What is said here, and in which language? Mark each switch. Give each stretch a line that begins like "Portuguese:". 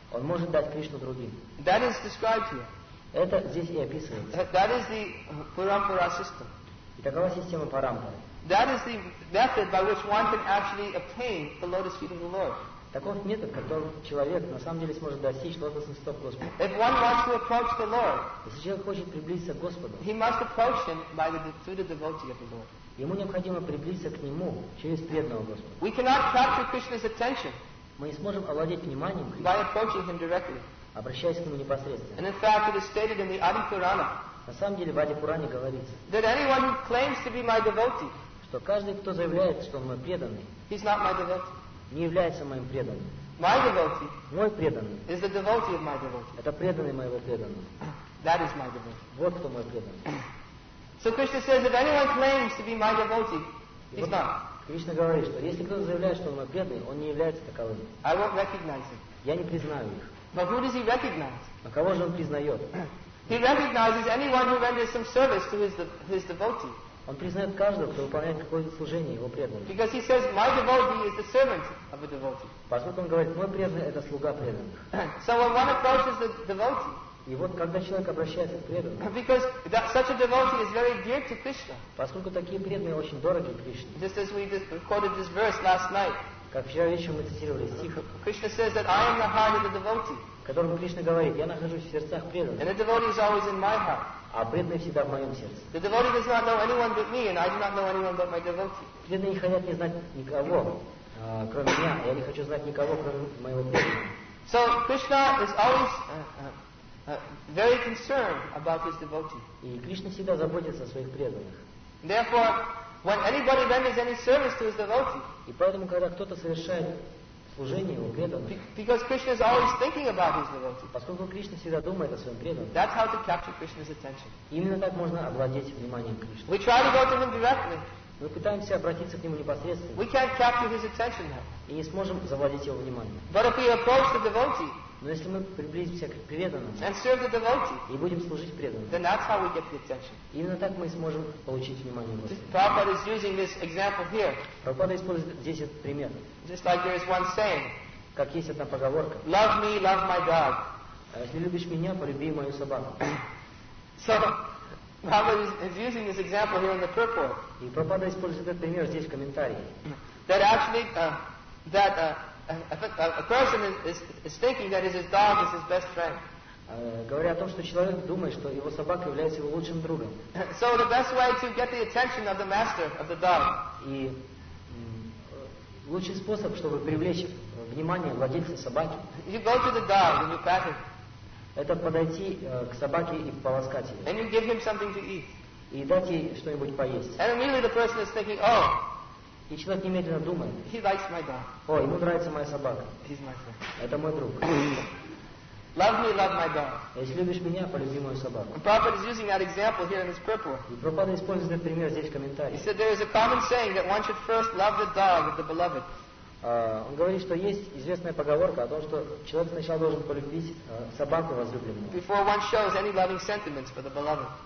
Russian: Он может дать Кришну другим.
English: That is described here.
Russian: Это здесь и описывается.
English: That is the parampara system.
Russian: И такова система парампары.
English: That is the method by which one can actually obtain the lotus feet of the Lord.
Russian: Таков метод, которым человек на самом деле сможет достичь лотосных стоп Господа.
English: If one wants to approach the Lord,
Russian: если человек хочет приблизиться к Господу,
English: he must approach him by the through the devotee of the Lord.
Russian: Ему необходимо приблизиться к Нему через преданного Господа.
English: We cannot capture Krishna's attention.
Russian: Мы не сможем овладеть вниманием
English: Krishna, by approaching him directly.
Russian: Обращаясь к Нему непосредственно.
English: And in fact, it is stated in the Adi Purana.
Russian: На самом деле в Ади Пуране говорится,
English: that anyone who claims to be my devotee,
Russian: что каждый, кто заявляет, что он мой преданный,
English: he's not my devotee.
Russian: Не является моим преданным.
English: My devotee,
Russian: мой преданный,
English: is the devotee of my devotee.
Russian: Это преданный моего преданного.
English: That is my devotee.
Russian: Вот кто мой преданный.
English: So Krishna says, if anyone claims to be my devotee, he's not.
Russian: Кришна говорит, что если кто-то заявляет, что он мой преданный, он не является таковым.
English: I won't recognize him.
Russian: Я не признаю их.
English: But who does he recognize?
Russian: А кого же он признает?
English: He recognizes anyone who renders some service to his devotee.
Russian: Он признает каждого, кто выполняет какое-то служение его преданному.
English: Because he says, my devotee is the servant of a devotee.
Russian: Поскольку он говорит, мой преданный это слуга преданных.
English: So when one approaches the devotee.
Russian: И вот когда человек обращается к преданному.
English: Because that such a devotee is very dear to Krishna.
Russian: Поскольку такие преданные очень дороги Кришне.
English: Just as we quoted this verse last night.
Russian: Как вчера вечером мы цитировали стих.
English: Krishna says that I am the heart of the devotee.
Russian: В котором Кришна говорит, я нахожусь в сердцах преданных.
English: And the devotee is always in my heart.
Russian: А преданный всегда в моем сердце.
English: The devotee does not know anyone but me, and I do not know anyone but my devotee.
Russian: Преданные не хотят не знать никого, кроме меня, я не хочу знать никого, кроме моего преданного.
English: So Krishna is always very concerned about his devotee.
Russian: И Кришна всегда заботится о своих преданных.
English: Therefore, when anybody renders any service to his devotee.
Russian: И поэтому, когда кто-то совершает служение его преданному.
English: Because Krishna is always thinking about his devotee.
Russian: Поскольку Кришна всегда думает о своем преданном.
English: That's how to capture Krishna's attention.
Russian: Именно так можно овладеть вниманием Кришны.
English: We try to go to him directly.
Russian: Мы пытаемся обратиться к нему непосредственно.
English: We can't capture his attention now.
Russian: И не сможем завладеть его вниманием.
English: But if we approach the devotee.
Russian: Но если мы приблизимся к преданному.
English: And serve the devotee.
Russian: И будем служить преданному.
English: Then that's how we get the attention.
Russian: Именно так мы сможем получить внимание Господа.
English: Prabhupada is using this example here.
Russian: Прабхупада использует здесь этот пример.
English: Just like there is one saying.
Russian: Как есть одна поговорка.
English: Love me, love my dog.
Russian: Если любишь меня, полюби мою собаку.
English: So Prabhupada is using this example here in the purport.
Russian: И Прабхупада использует этот пример здесь в комментарии.
English: That actually that a person is thinking that his dog is his best friend.
Russian: Говоря о том, что человек думает, что его собака является его лучшим другом.
English: So the best way to get the attention of the master of the dog.
Russian: И лучший способ, чтобы привлечь внимание владельца собаки.
English: You go to the dog and you pat him.
Russian: Это подойти к собаке и поласкать ее.
English: And you give him something to eat.
Russian: И дать ей что-нибудь поесть.
English: And immediately the person is thinking, oh.
Russian: И человек немедленно думает.
English: He likes my dog.
Russian: О, ему нравится моя собака.
English: He's my friend.
Russian: Это мой друг.
English: Love me, love my dog.
Russian: Если любишь меня, полюби мою собаку.
English: And Prabhupada is using that example here in his purport.
Russian: И Прабхупада использует этот пример здесь в комментарии.
English: He said there is a common saying that one should first love the dog of the beloved.
Russian: Он говорит, что есть известная поговорка о том, что человек сначала должен полюбить собаку возлюбленную.
English: Before one shows any loving sentiments for the beloved.